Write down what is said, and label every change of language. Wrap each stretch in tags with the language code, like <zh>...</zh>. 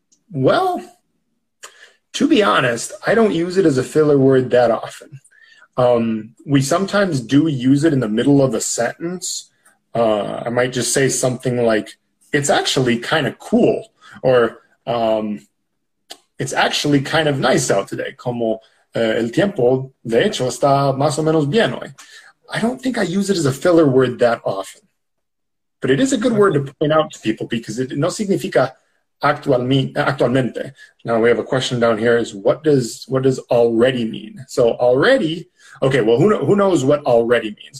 <en>Well, to be honest, I don't use it as a filler word that often. We sometimes do use it in the middle of a sentence. I might just say something like, it's actually kind of cool, or it's actually kind of nice out today.</en> <es>Como el tiempo, de hecho, está más o menos bien hoy.</es> <en>I don't think I use it as a filler word that often. But it is a good word to point out to people, because it</en> <es>no significa actualmente.</es> <en>Now we have a question down here, is what does already mean? So already, okay, well, who knows what already means?</en>